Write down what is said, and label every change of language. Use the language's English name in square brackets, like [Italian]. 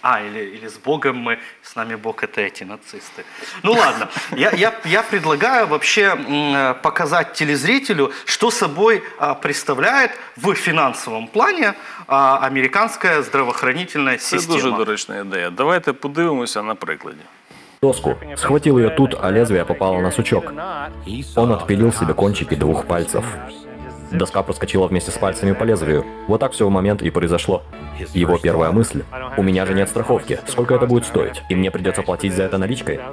[Russian] А, или «С Богом мы», «С нами Бог» – это эти нацисты. Ну, ладно. Я предлагаю вообще показать телезрителю, что собой представляет в финансовом плане американская здравоохранительная система. Это очень доречная идея. [Ukrainian] Давайте подивимося на прикладе. [Russian] Доску. Схватил ее тут, а лезвие попало на сучок. Он отпилил себе кончики двух пальцев. Доска проскочила вместе с пальцами по лезвию. Вот так все в момент и произошло. Его первая мысль. У меня же нет страховки. Сколько это будет стоить? И мне придется платить за это наличкой?